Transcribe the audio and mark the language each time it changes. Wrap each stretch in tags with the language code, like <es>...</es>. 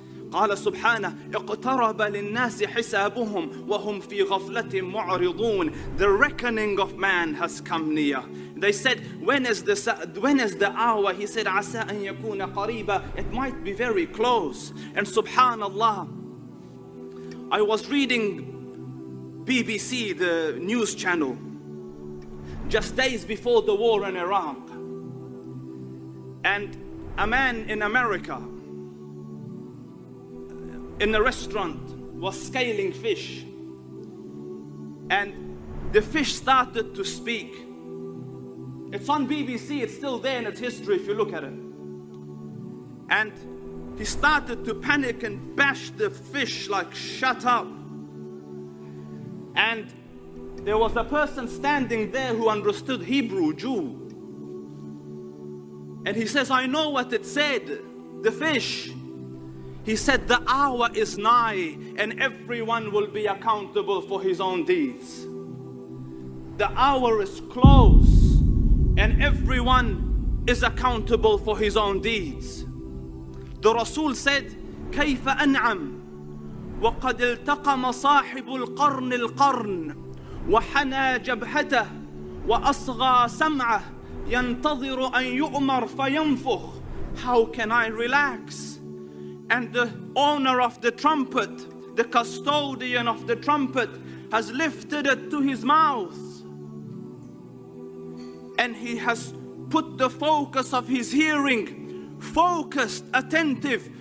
<ar>قال سبحانه اقترب للناس حسابهم وهم في غفلة معرضون.</ar> <en>The reckoning of man has come near. They said, when is the hour? He said,</en> <ar>عسى أن يكون قريبا.</ar> <en>It might be very close. And subhanallah, I was reading BBC, the news channel, just days before the war in Iraq. And a man in America, in a restaurant, was scaling fish. And the fish started to speak. It's on BBC, it's still there in its history if you look at it. And he started to panic and bash the fish like, shut up. And there was a person standing there who understood Hebrew, Jew. And he says, I know what it said, the fish. He said, the hour is nigh and everyone will be accountable for his own deeds. The hour is close and everyone is accountable for his own deeds. The Rasul said,</en> <ar>كيف أنعم وقد التقم صاحب القرن القرن وحنى جبهته وأصغى سمعه ينتظر أن يؤمر فينفخ.</ar> <en>How can I relax? And the owner of the trumpet, the custodian of the trumpet, has lifted it to his mouth. And he has put the focus of his hearing, focused, attentive.</en>